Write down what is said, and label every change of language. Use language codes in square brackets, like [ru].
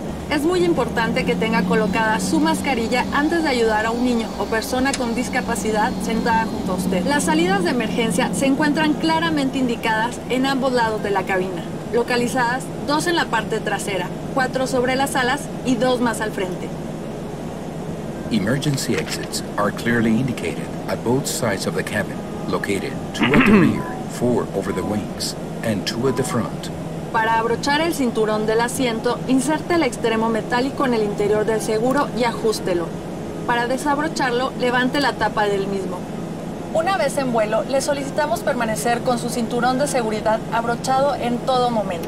[es] Es muy importante que tenga colocada su mascarilla antes de ayudar a un niño o persona con discapacidad sentada junto a usted. Las salidas de emergencia se encuentran claramente indicadas en ambos lados de la cabina, localizadas dos en la parte trasera, cuatro sobre las alas y dos más al frente. [en] Emergency exits are clearly indicated at both sides of the cabin, located two at the rear, four over the wings, and two at the front. [es] Para abrochar el cinturón del asiento, inserte el extremo metálico en el interior del seguro y ajústelo. Para desabrocharlo, levante la tapa del mismo. Una vez en vuelo, le solicitamos permanecer con su cinturón de seguridad abrochado en todo momento.